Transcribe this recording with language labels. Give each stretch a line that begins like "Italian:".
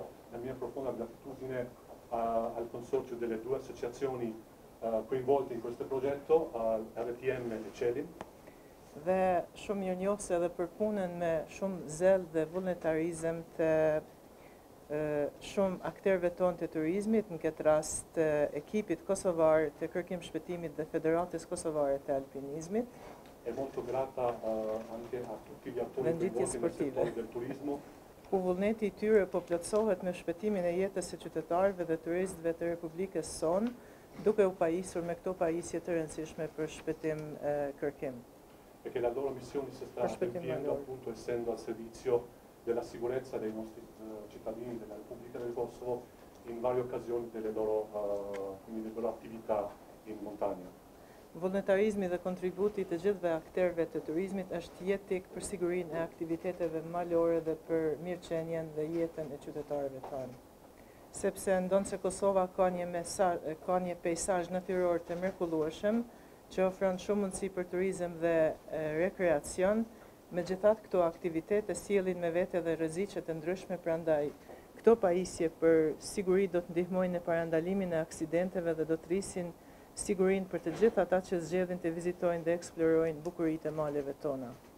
Italian: La mia profonda gratitudine al consorzio delle due associazioni coinvolte in questo progetto, RTM e Celim.
Albanian: Dhe shumë mirënjohse edhe për punën me shumë zel dhe vullnetarizëm të shumë akterve tonë të turizmit, në këtë rast ekipit kosovar të kërkim shpëtimit dhe Federatës Kosovare të Alpinizmit.
Italian: E molto grata anche a tutti gli attori coinvolti nel settore del turismo.
Albanian: Ku vullneti i tyre po plotësohet me shpëtimin e jetës e qytetarëve dhe turistëve të Republikës sonë, duke u pajisur me këto pajisje të rëndësishme për shpëtim kërkim.
Italian: Perché la loro missione si sta adempiendo appunto essendo al servizio della sicurezza dei nostri cittadini della Repubblica del Kosovo in varie occasioni delle loro attività in montagna.
Albanian: Vullnetarizmi dhe kontributi të gjithve akterve të turizmit është jetik për sigurinë e aktiviteteve malore dhe për mirëqenjen dhe jetën e qytetarëve tanë. Sepse ndonë se Kosova ka një pejsazh natyror të mrekullueshëm që ofron shumë mundësi për turizëm dhe rekreacion, megjithatë këto aktivitete sjellin me vete dhe rreziqe të ndryshme, prandaj këto pajisje për siguri do të ndihmojnë në parandalimin e aksidenteve dhe do të rrisin sigurinë për të gjithë ata që zgjedhin të vizitojnë dhe eksplorojnë bukuritë e maleve tona.